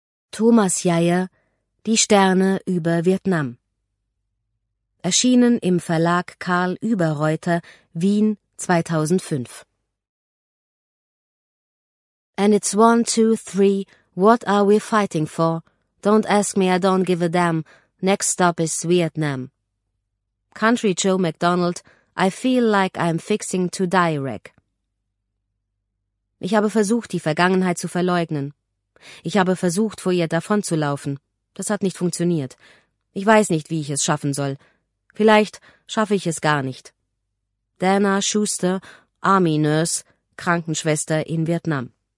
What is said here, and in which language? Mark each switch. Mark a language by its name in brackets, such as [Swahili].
[German] Thomas Jeyer, Die Sterne über Vietnam. Erschienen im Verlag Karl Überreuter, Wien, 2005. [English] And it's 1, 2, 3, what are we fighting for? Don't ask me, I don't give a damn. Next stop is Vietnam. Country Joe McDonald, I feel like I'm fixing to die, Rick. [German] Ich habe versucht, die Vergangenheit zu verleugnen. Ich habe versucht, vor ihr davonzulaufen. Das hat nicht funktioniert. Ich weiß nicht, wie ich es schaffen soll. Vielleicht schaffe ich es gar nicht. Dana Schuster, Army Nurse, Krankenschwester in Vietnam.